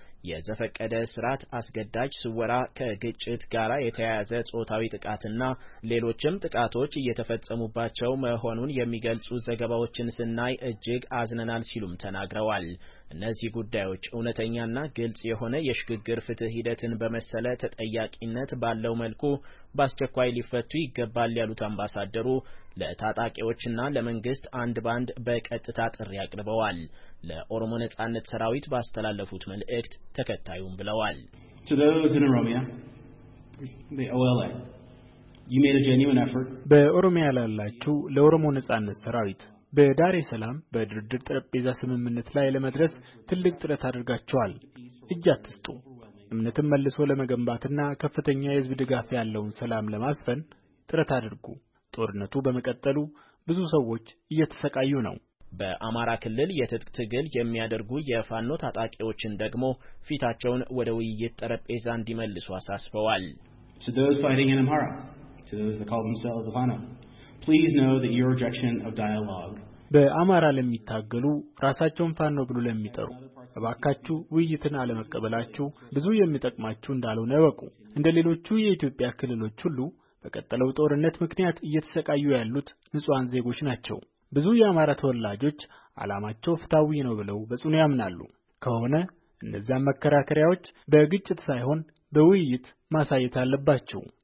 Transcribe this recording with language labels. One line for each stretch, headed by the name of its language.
Amharic: የዘፈቀደ ስርዓት አስገዳጅ ስወራ፣ ከግጭት ጋራ የተያያዘ ጾታዊ ጥቃትና ሌሎችም ጥቃቶች እየተፈጸሙባቸው መሆኑን የሚገልጹ ዘገባዎችን ስናይ እጅግ አዝነናል ሲሉም ተናግረዋል። እነዚህ ጉዳዮች እውነተኛና ግልጽ የሆነ የሽግግር ፍትህ ሂደትን በመሰለ ተጠያቂነት ባለው መልኩ በአስቸኳይ ሊፈቱ ይገባል ያሉት አምባሳደሩ ለታጣቂዎችና ለመንግስት አንድ ባንድ በቀጥታ ጥሪ አቅርበዋል። ለኦሮሞ ነጻነት ሰራዊት ባስተላለፉት መልእክት ተከታዩም ብለዋል።
English: To those in Oromia, the OLA, you made a genuine effort.
Amharic: በኦሮሚያ ላላችሁ ለኦሮሞ ነጻነት ሰራዊት በዳሬ ሰላም በድርድር ጠረጴዛ ስምምነት ላይ ለመድረስ ትልቅ ጥረት አድርጋችኋል። እጅ አትስጡ። እምነትን መልሶ ለመገንባትና ከፍተኛ የህዝብ ድጋፍ ያለውን ሰላም ለማስፈን ጥረት አድርጉ። ጦርነቱ በመቀጠሉ ብዙ ሰዎች እየተሰቃዩ ነው። በአማራ ክልል የትጥቅ ትግል የሚያደርጉ የፋኖ ታጣቂዎችን ደግሞ ፊታቸውን ወደ ውይይት ጠረጴዛ እንዲመልሱ አሳስበዋል።
English: To those fighting in Amhara, to those that call themselves the Fano, please know that your rejection of dialogue.
Amharic: በአማራ ለሚታገሉ ራሳቸውን ፋኖ ብሎ ለሚጠሩ አባካቹ ውይይትን አለመቀበላቹ ብዙ የሚጠቅማቹ እንዳልሆነ ያወቁ። እንደሌሎቹ የኢትዮጵያ ክልሎች ሁሉ በቀጠለው ጦርነት ምክንያት እየተሰቃዩ ያሉት ንጹሃን ዜጎች ናቸው። ብዙ የአማራ ተወላጆች አላማቸው ፍታዊ ነው ብለው በጽኑ ያምናሉ። ከሆነ እነዛ መከራከሪያዎች በግጭት ሳይሆን በውይይት ማሳየት አለባቸው።